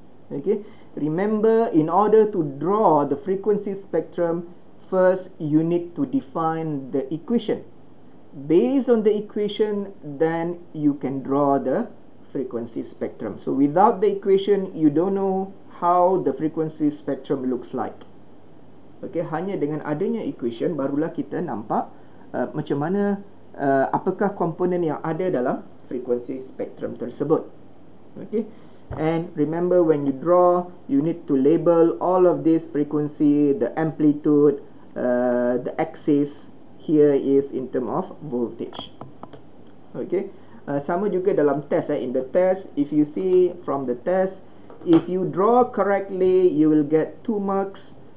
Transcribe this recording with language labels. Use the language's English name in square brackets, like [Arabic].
[English] Okay, remember, in order to draw the frequency spectrum, first you need to define the equation. Based on the equation, then you can draw the frequency spectrum. So without the equation, you don't know how the frequency spectrum looks like. [Malay] Okay, hanya dengan adanya equation barulah kita nampak macam mana apakah komponen yang ada dalam frequency spectrum tersebut. [English] Okay, and remember, when you draw, you need to label all of this frequency, the amplitude, the axis. Here is in term of voltage. Okay, [Malay] sama juga dalam test. [English] In the test, if you see from the test, if you draw correctly, you will get 2 marks.